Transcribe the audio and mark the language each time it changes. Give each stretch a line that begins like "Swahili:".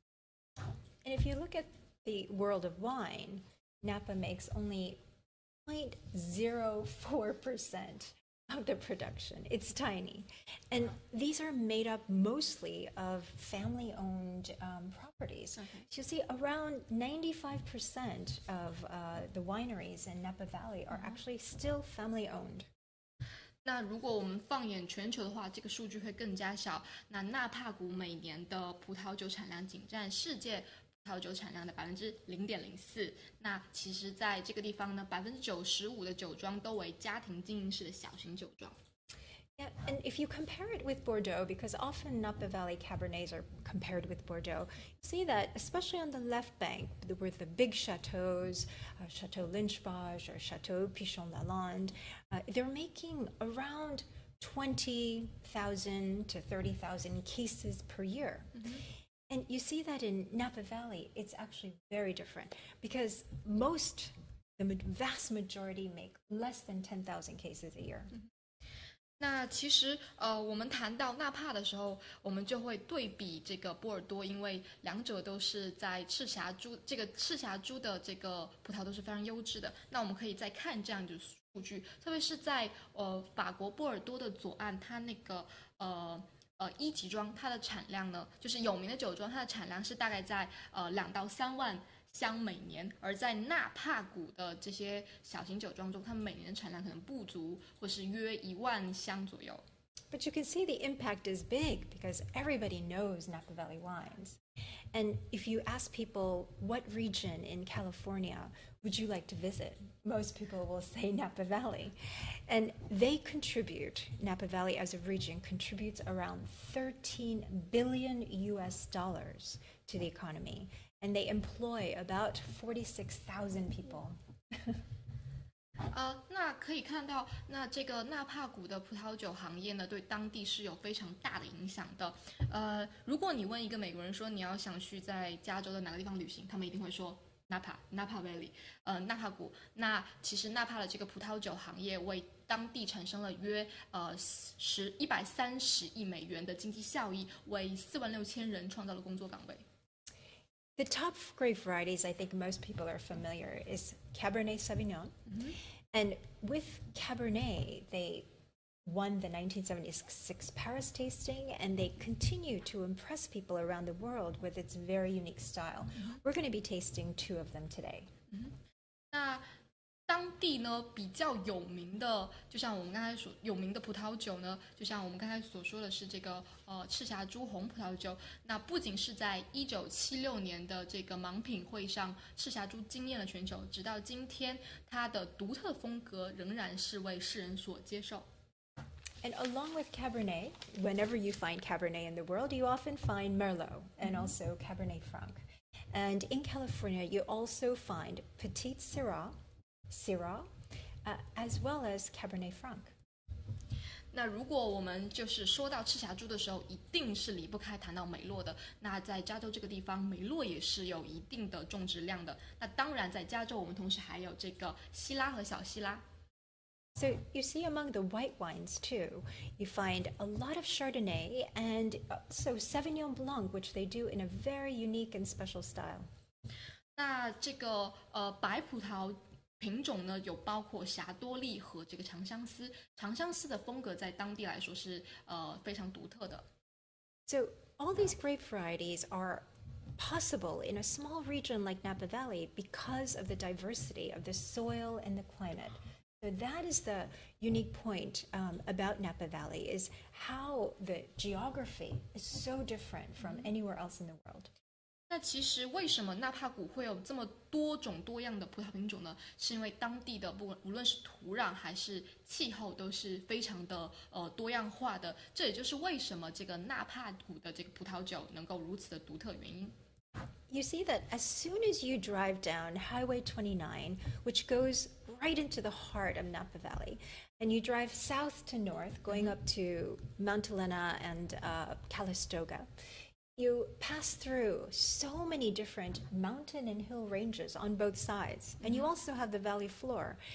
English: if you look at the world of wine, Napa makes only 0.04% of the production. It's tiny. And these are made up mostly of family-owned properties. Okay. So you see, around 95% of the wineries in Napa Valley are actually still family-owned.
Chinese: 那如果我们放眼全球的话，这个数据会更加小。那纳帕谷每年的葡萄酒产量仅占世界 葡萄酒产量的0.04%，那其实在这个地方呢，95%的酒庄都为家庭经营式的小型酒庄。
English: Yeah, and if you compare it with Bordeaux, because often Napa Valley Cabernets are compared with Bordeaux, you see that especially on the left bank, with the big chateaus, Chateau Lynchbage or Chateau Pichon Lalande, they're making around 20,000 to 30,000 cases per year. Mm-hmm. And you see that in Napa Valley, it's actually very different, because the vast majority make less than 10,000 cases a year. Mm-hmm.
Chinese: 那其实我们谈到纳帕的时候，我们就会对比这个波尔多，因为两者都是在赤霞珠，这个赤霞珠的这个葡萄都是非常优质的。那我们可以再看这样的数据，特别是在法国波尔多的左岸，它那个一级庄，它的产量呢，就是有名的酒庄，它的产量是大概在两到三万箱每年，而在纳帕谷的这些小型酒庄中，他们每年的产量可能不足，或是约一万箱左右。
English: But you can see the impact is big because everybody knows Napa Valley wines. And if you ask people what region in California would you like to visit, most people will say Napa Valley. And they contribute, Napa Valley as a region contributes around $13 billion to the economy. And they employ about 46,000 people.
Chinese: 那可以看到，那这个纳帕谷的葡萄酒行业呢，对当地是有非常大的影响的。如果你问一个美国人说你要想去在加州的哪个地方旅行，他们一定会说 Napa Valley， 纳帕谷。那其实纳帕的这个葡萄酒行业为当地产生了约$130 million的经济效益，为46,000人创造了工作岗位。
English: The top grape varieties I think most people are familiar is Cabernet Sauvignon. Mm-hmm. And with Cabernet, they won the 1976 Paris tasting, and they continue to impress people around the world with its very unique style. Mm-hmm. We're going to be tasting two of them today. Mm-hmm.
Chinese: 当地呢比较有名的，就像我们刚才所有名的葡萄酒呢，就像我们刚才所说的是这个赤霞珠红葡萄酒。那不仅是在1976年的这个盲品会上，赤霞珠惊艳了全球，直到今天，它的独特风格仍然是为世人所接受。
English: And along with Cabernet, whenever you find Cabernet in the world, you often find Merlot and also Cabernet Franc. And in California, you also find Petite Syrah. Syrah, as well as Cabernet Franc.
Chinese: 那如果我们就是说到赤霞珠的时候，一定是离不开谈到梅洛的。那在加州这个地方，梅洛也是有一定的种植量的。那当然，在加州我们同时还有这个希拉和小希拉。
English: So you see among the white wines too, you find a lot of Chardonnay and so Sauvignon Blanc, which they do in a very unique and special style.
Chinese: 那这个白葡萄。品种呢有包括霞多丽和这个长相思，长相思的风格在当地来说是非常独特的。
English: So all these grape varieties are possible in a small region like Napa Valley because of the diversity of the soil and the climate. So that is the unique point about Napa Valley is how the geography is so different from anywhere else in the world.
Chinese: 那其实为什么纳帕谷会有这么多种多样的葡萄品种呢？是因为当地的无论是土壤还是气候都是非常的多样化的。这也就是为什么这个纳帕谷的这个葡萄酒能够如此的独特原因。
English: You see that as soon as you drive down Highway 29, which goes right into the heart of Napa Valley, and you drive south to north, going up to Mount Helena and Calistoga. You pass through so many different mountain and hill ranges on both sides, and you also have the valley floor.